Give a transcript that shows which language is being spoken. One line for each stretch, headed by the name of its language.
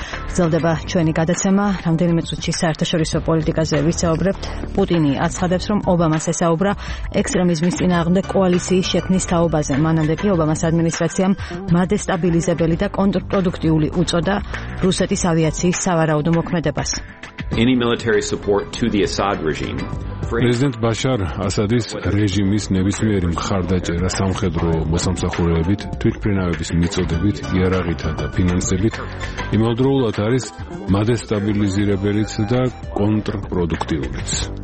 Georgian: გრძელდება ჩვენი გადაცემა. რამდენიმე წუთში საერთაშორისო პოლიტიკაზე ვიცაობთ. პუტინი აცხადებს, რომ ობამას ესაუბრა ექსტრემიზმის წინააღმდეგ კოალიციის შექმნის თაობაზე. მანამდე კი ობამას ადმინისტრაციამ მადესტაბილიზებელი და კონტრპროდუქტიული უწოდა რუსეთის ავიაციის სავარაუდო მოქმედებას.
English: Any military support to the Assad regime.
Georgian: პრეზიდენტ ბაშარ ასადის რეჟიმის ნებისმიერი მხარდაჭერა სამხედრო მოსამსახურეებით, თვითმფრინავების მიწოდებით, იარაღითა და ფინანსებით იმავდროულად არის მადესტაბილიზირებელიც და კონტრპროდუქტიულიც.